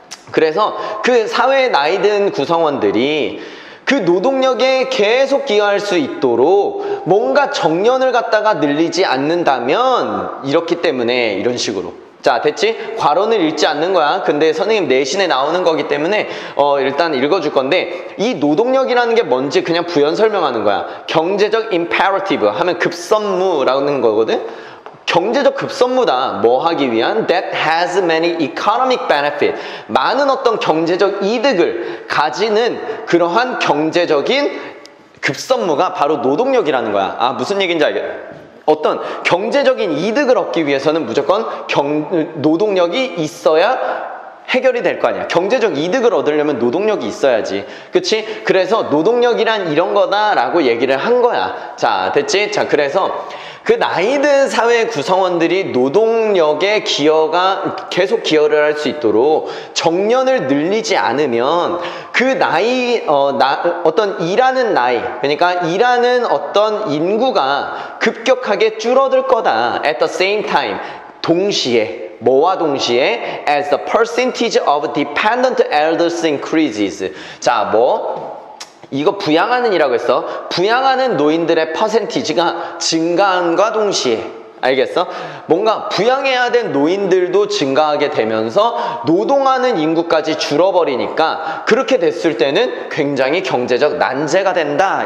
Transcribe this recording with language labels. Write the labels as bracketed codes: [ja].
[ko] 그래서 그 사회의 나이 든 구성원들이 그 노동력에 계속 기여할 수 있도록 뭔가 정년을 갖다가 늘리지 않는다면 이렇기 때문에 이런 식으로. 자, 됐지? 과론을 읽지 않는 거야. 근데 선생님 내신에 나오는 거기 때문에 일단 읽어줄 건데, 이 노동력이라는 게 뭔지 그냥 부연 설명하는 거야. 경제적 imperative 하면 급선무라는 거거든. 경제적 급선무다. 뭐 하기 위한? [en] That has many economic benefits. [ko] 많은 어떤 경제적 이득을 가지는 그러한 경제적인 급선무가 바로 노동력이라는 거야. 아, 무슨 얘기인지 알겠다. 어떤 경제적인 이득을 얻기 위해서는 무조건 노동력이 있어야 해결이 될 거 아니야. 경제적 이득을 얻으려면 노동력이 있어야지. 그치? 그래서 노동력이란 이런 거다라고 얘기를 한 거야. 자, 됐지? 자, 그래서 그 나이든 사회 구성원들이 노동력에 계속 기여를 할 수 있도록 정년을 늘리지 않으면 그 어떤 일하는 나이, 그러니까 일하는 어떤 인구가 급격하게 줄어들 거다. [en] At the same time, [ko] 동시에. 뭐와 동시에? [en] As the percentage of dependent elders increases. [ko] 자, 뭐? 이거 부양하는이라고 했어. 부양하는 노인들의 퍼센티지가 증가함과 동시에. 알겠어? 뭔가 부양해야 된 노인들도 증가하게 되면서 노동하는 인구까지 줄어버리니까 그렇게 됐을 때는 굉장히 경제적 난제가 된다.